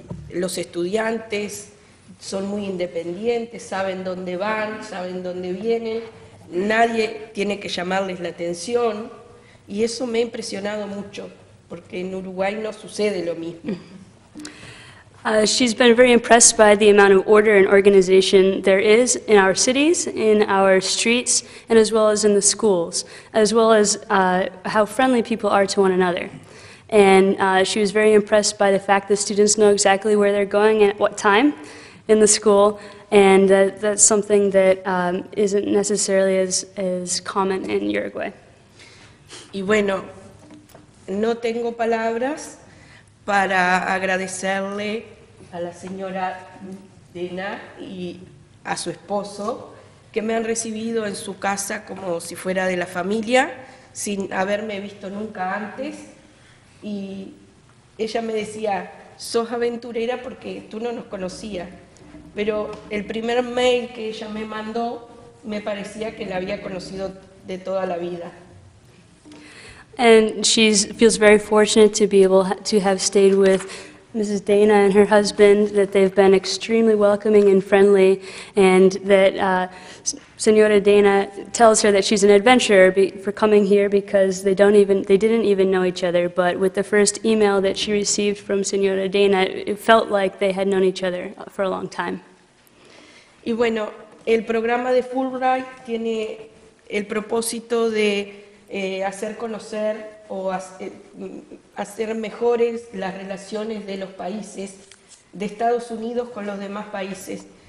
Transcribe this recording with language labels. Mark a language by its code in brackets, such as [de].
[es] los estudiantes son muy independientes, saben dónde van, saben dónde vienen, nadie tiene que llamarles la atención, y eso me ha impresionado mucho, porque en Uruguay no sucede lo mismo. [en] She's been very impressed by the amount of order and organization there is in our cities, in our streets, and as well as in the schools, as well as how friendly people are to one another. And she was very impressed by the fact that students know exactly where they're going at what time in the school, and that's something that isn't necessarily as common in Uruguay. [es] Y bueno, no tengo palabras para agradecerle a la señora Dena y a su esposo, que me han recibido en su casa como si fuera de la familia, sin haberme visto nunca antes. Y ella me decía, sos aventurera porque tú no nos conocías. Pero el primer mail que ella me mandó, me parecía que la había conocido de toda la vida. [en] And she feels very fortunate to be able to have stayed with Mrs. Dana and her husband, that they've been extremely welcoming and friendly, and that Senora Dana tells her that she's an adventurer for coming here because they didn't even know each other, but with the first email that she received from Senora Dana, it felt like they had known each other for a long time. [es] Y bueno, el programa de Fulbright tiene el propósito de hacer conocer o hacer mejores las relaciones de los países, de Estados Unidos con los demás países.